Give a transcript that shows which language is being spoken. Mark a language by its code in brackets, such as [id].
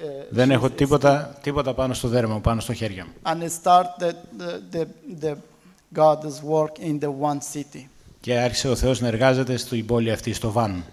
[el] Δεν έχω τίποτα, τίποτα πάνω στο δέρμα, πάνω στο χέρι μου. [en] And start the God's work in the one city. [el] Και άρχισε ο Θεός να εργάζεται στην πόλη αυτή, στο Βαν.